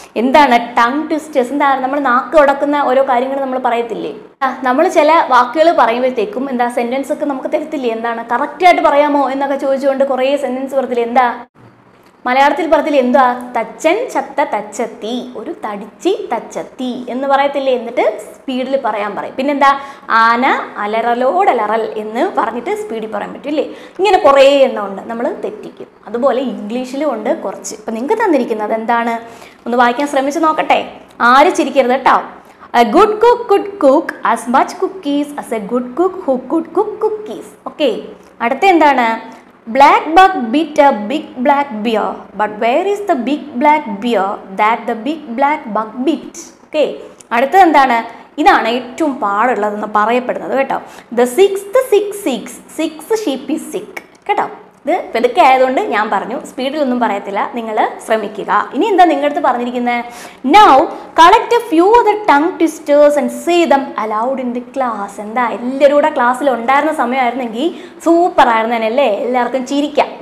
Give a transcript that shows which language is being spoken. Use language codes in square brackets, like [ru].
[ml] എന്താണ് tongue twisters, എന്താണ് നമ്മൾ നാക്ക് ഉടക്കുന്ന ഓരോ കാര്യങ്ങൾ നമ്മൾ പറയത്തില്ലേ, നമ്മൾ ചില വാക്കുകൾ പറയുമ്പോഴത്തേക്കും എന്താ സെന്റൻസ് ഒക്കെ നമുക്ക് തരത്തില്ലേ, എന്താണ് കറക്റ്റായിട്ട് പറയാമോ എന്നൊക്കെ ചോദിച്ചുകൊണ്ട് കുറേ സെന്റൻസ് പറഞ്ഞില്ലേ, എന്താ മലയാളത്തിൽ പറഞ്ഞതിൽ എന്താ, തച്ചൻ ചത്ത തച്ചത്തി, ഒരു തടിച്ചി തച്ചത്തി എന്ന് പറയത്തില്ലേ, എന്നിട്ട് സ്പീഡിൽ പറയാൻ പറയും. പിന്നെന്താ ആന അലറലോടലറൽ എന്ന് പറഞ്ഞിട്ട് സ്പീഡിൽ പറയാൻ പറ്റില്ലേ, ഇങ്ങനെ കുറേ എന്നുണ്ട് നമ്മൾ തെറ്റിക്കും. അതുപോലെ ഇംഗ്ലീഷിലും ഉണ്ട് കുറച്ച്. ഇപ്പം നിങ്ങൾക്ക് തന്നിരിക്കുന്നത് എന്താണ് ഒന്ന് വായിക്കാൻ ശ്രമിച്ച് നോക്കട്ടെ, ആര് ചിരിക്കരുത് കേട്ടോ. [en] A good cook could cook as much cookies as a good cook who could cook cookies. Okay [ml] അടുത്ത എന്താണ്, [en] Black bug bit a big black bear, but where is the big black bear that the big black bug bit? [ml] Okay, അടുത്തത് എന്താണ്, ഇതാണ് ഏറ്റവും പാടുള്ളതെന്ന് പറയപ്പെടുന്നത് കേട്ടോ. [en] The sixth sick six, six sheep is sick. [ml] കേട്ടോ, ഇത് പെതുക്കെ ആയതുകൊണ്ട് ഞാൻ പറഞ്ഞു, സ്പീഡിലൊന്നും പറയത്തില്ല, നിങ്ങൾ ശ്രമിക്കുക. ഇനി എന്താ നിങ്ങളുടെ അടുത്ത് പറഞ്ഞിരിക്കുന്നത്, [en] Now collect a few of the tongue twisters and say them aloud in the class. [ml] എന്താ എല്ലാവരും കൂടെ ക്ലാസ്സിൽ ഉണ്ടായിരുന്ന സമയമായിരുന്നെങ്കിൽ സൂപ്പറായിരുന്നു തന്നെയല്ലേ, എല്ലാവർക്കും ചിരിക്കാം.